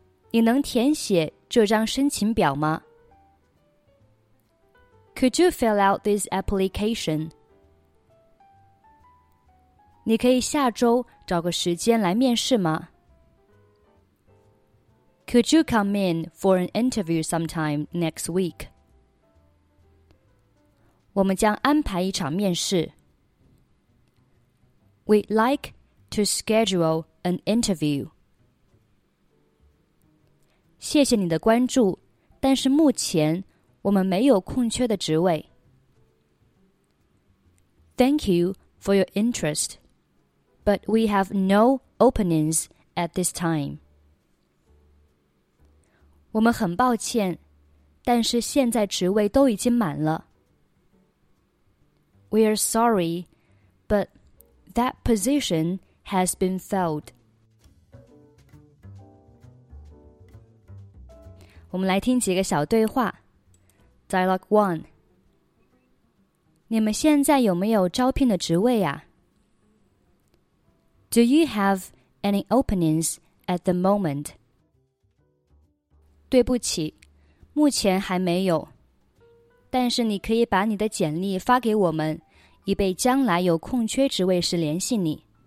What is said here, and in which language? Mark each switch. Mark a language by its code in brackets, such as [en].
[zh] 你能填写这张申请表吗？ [en] Could you fill out this application? [zh] 你可以下周找个时间来面试吗？ [en] Could you come in for an interview sometime next week? [zh] 我们将安排一场面试。 [en] We'd like to schedule an interview. [zh] 谢谢你的关注，但是目前我们没有空缺的职位。 [en] Thank you for your interest, but we have no openings at this time. [zh] 我们很抱歉，但是现在职位都已经满了。 [en] We are sorry, but that position has been filled. [zh] 我们来听几个小对话。 [en] Dialogue 1. [zh] 你们现在有没有招聘的职位呀？ [en] Do you have any openings at the moment? [zh] 对不起，目前还没有。但是你可以把你的简历发给我们，以备将来有空缺职位时联系你。